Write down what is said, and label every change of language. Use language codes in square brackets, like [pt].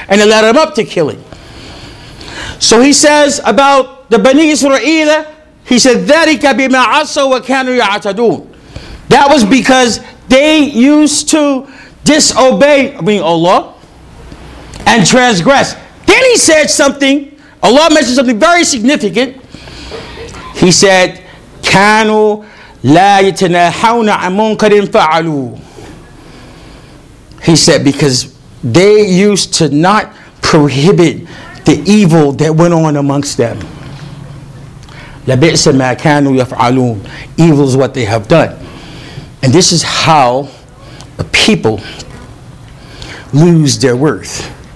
[en] And it led them up to killing. So he says about the Bani Israel, he said, [ar] ذَلِكَ بِمَا عَصَوْا وَكَانُوا يَعْتَدُونَ. [en] That was because they used to disobey, Allah, and transgress. Then he said something, Allah mentioned something very significant. [ar] He said, كَانُوا لَا يَتَنَاحَوْنَ عَنْ مُنْكَرٍ فَعَلُوا. [en] He said, because they used to not prohibit the evil that went on amongst them. [ar] لَبِئْسَ مَا كَانُوا يَفْعَلُونَ. [en] Evil is what they have done. And this is how a people lose their worth.